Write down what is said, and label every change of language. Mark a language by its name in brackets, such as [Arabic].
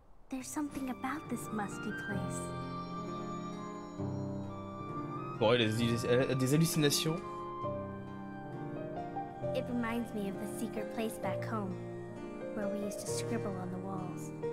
[English] There's something about this musty place. [French] Bon, elle a des hallucinations. [English] It reminds me of the secret place back home, where we used to scribble on the walls.